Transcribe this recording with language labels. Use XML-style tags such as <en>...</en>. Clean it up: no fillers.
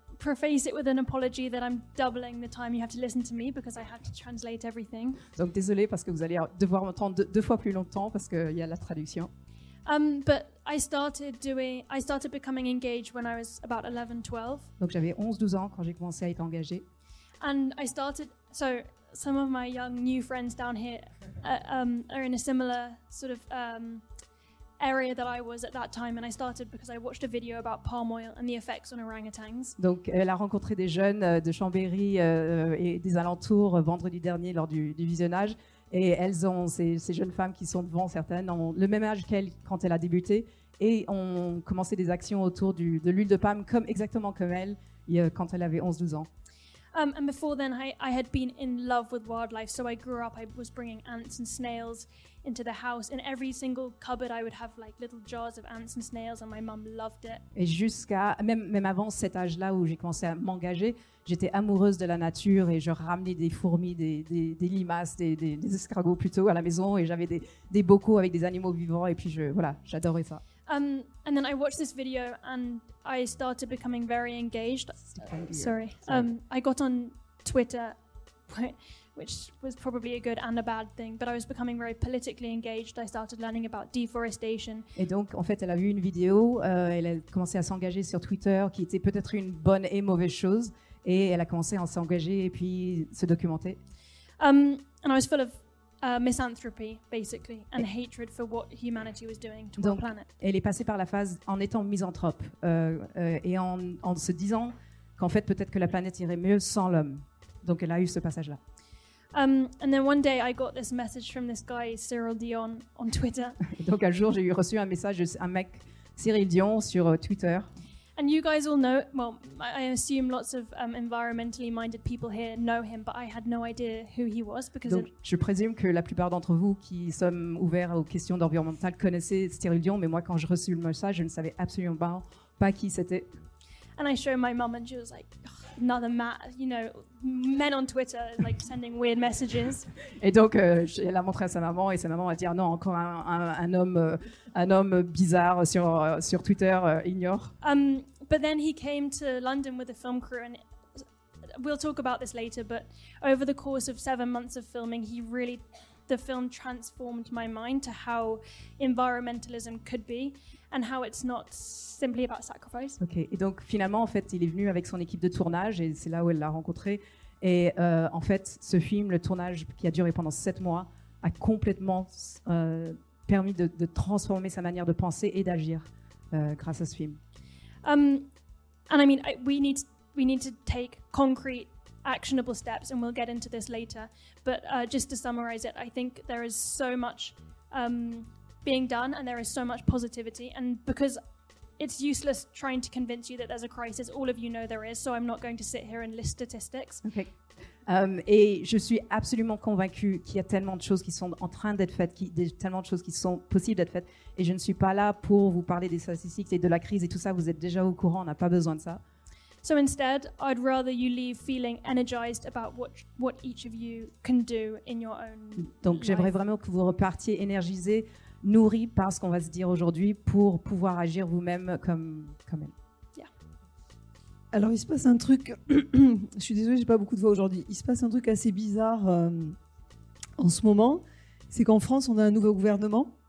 <en>Preface it with an apology that I'm doubling the time you have to listen to me because I have to translate everything.</en> <fr>Donc désolé parce que vous allez devoir m'entendre deux fois plus longtemps parce qu'il y a la traduction.</fr> <en>But I started becoming engaged when I was about 11, 12.</en> <fr>Donc j'avais 11-12 ans quand j'ai commencé à être engagée.</fr> <en>And I started, so some of my young new friends down here are in a similar sort of area that I was at that time. And I started because I watched a video about palm oil and the effects on orangutans.</en> <fr>Donc elle a rencontré des jeunes de Chambéry et des alentours vendredi dernier lors du visionnage. Et elles ont, ces jeunes femmes qui sont devant, certaines ont le même âge qu'elle quand elle a débuté et ont commencé des actions autour de l'huile de palme, exactement comme elle, quand elle avait 11-12 ans.</fr> <en>And before then, I had been in love with wildlife. So I grew up, I was bringing ants and snails into the house. In every single cupboard, I would have like little jars of ants and snails, and my mum loved it.</en> <fr>Et jusqu'à, même avant cet âge-là où j'ai commencé à m'engager, j'étais amoureuse de la nature et je ramenais des fourmis, des limaces, des escargots plutôt à la maison, et j'avais des bocaux avec des animaux vivants, et puis j'adorais ça.</fr> <en>And then I watched this video and I started becoming very engaged. Sorry. I got on Twitter, which was probably a good and a bad thing, but I was becoming very politically engaged. I started learning about deforestation.</en> <fr>Et donc, en fait, elle a vu une vidéo, elle a commencé à s'engager sur Twitter, qui était peut-être une bonne et mauvaise chose, et elle a commencé à s'engager et puis se documenter.</fr> <en>And I was full of misanthropy, basically, and hatred for what humanity was doing to our planet.</en> <fr>Elle est passée par la phase en étant misanthrope et en se disant qu'en fait peut-être que la planète irait mieux sans l'homme. Donc elle a eu ce passage-là.</fr> <en>And then one day I got this message from this guy Cyril Dion on Twitter.</en> <fr>Donc un jour j'ai reçu un message d'un mec Cyril Dion sur Twitter.</fr> <en>And you guys all know, well, I assume lots of environmentally minded people here know him, but I had no idea who he was because.</en> <fr>Donc, je présume que la plupart d'entre vous qui sommes ouverts aux questions environnementales connaissez Cyril Dion, mais moi, quand je reçus le message, je ne savais absolument pas qui c'était.</fr> <en>And I showed my mom, and she was like, "Another Matt, you know, men on Twitter like sending weird messages."</en> <fr>Et donc, elle a montré à sa maman, et sa maman a dit, ah, "Non, encore un homme bizarre sur Twitter, ignore."</fr> <en>But then he came to London with a film crew, and we'll talk about this later. But over the course of 7 months of filming, the film transformed my mind to how environmentalism could be. And how it's not simply about sacrifice. Okay.</en> <fr>Et donc finalement, en fait, il est venu avec son équipe de tournage et c'est là où elle l'a rencontré. Et en fait, ce film, le tournage qui a duré pendant 7 mois, a complètement permis de transformer sa manière de penser et d'agir grâce à ce film.</fr> <en>And I mean, we need to take concrete, actionable steps, and we'll get into this later. But just to summarize it, I think there is so much. Being done, and there is so much positivity. And because it's useless trying to convince you that there's a crisis, all of you know there is. So I'm not going to sit here and list statistics. Okay.</en> <fr>Et je suis absolument convaincue qu'il y a tellement de choses qui sont en train d'être faites, tellement de choses qui sont possibles d'être faites. Et je ne suis pas là pour vous parler des statistiques et de la crise et tout ça. Vous êtes déjà au courant, on n'a pas besoin de ça.</fr> <en>So instead, I'd rather you leave feeling energized about what each of you can do in your own</en> <fr>Donc,</fr> <en>life.</en> <fr>Donc j'aimerais vraiment que vous repartiez énergisé, nourri par ce qu'on va se dire aujourd'hui pour pouvoir agir vous-même comme elle.</fr> <en>Yeah.</en> <fr>Alors il se passe un truc, je suis désolée, j'ai pas beaucoup de voix aujourd'hui, il se passe un truc assez bizarre en ce moment, c'est qu'en France on a un nouveau gouvernement.</fr>